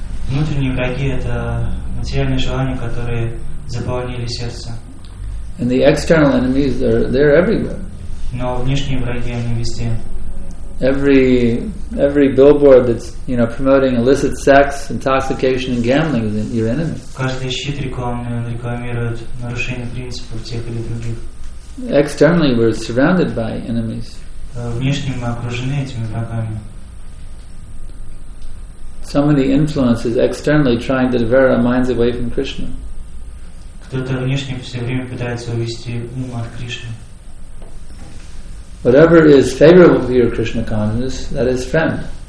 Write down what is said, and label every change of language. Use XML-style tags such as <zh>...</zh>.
<ru>Внутренние враги это материальные желания, которые заполнили сердце.</ru> <en>And the external enemies are they're everywhere.</en> <ru>Но внешние враги они везде.</ru> <en>Every billboard that's you know promoting illicit sex, intoxication, and gambling is your enemy.</en> <ru>Каждый щит рекламирует нарушение принципов тех или других.</ru> <en>Externally, we're surrounded by enemies.</en> <ru>Внешне мы окружены этими врагами.</ru> <en>So many influences externally trying to divert our minds away from Krishna.</en> <ru>Кто-то внешне все время пытается увести ум от Кришны.</ru> <en>Whatever is favorable to your Krishna consciousness, that is friend.</en>